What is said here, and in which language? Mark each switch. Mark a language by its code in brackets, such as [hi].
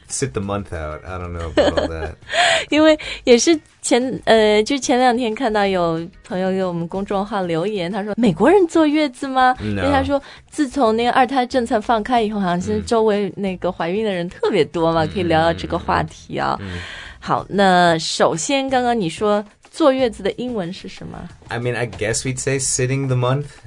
[en] sit the month out. I don't know about that. [zh] 因为也是就前两天看到有朋友给我们公众号留言，他说美国人坐月子吗？ [en] No. [zh] 因为他说自从那个二胎政策放开以后，好像现在周围那个怀孕的人特别多嘛，可以聊聊这个话题啊。好，那首先刚刚你说坐月子的英文是什么？ [en] I mean, I guess we'd say sitting the month.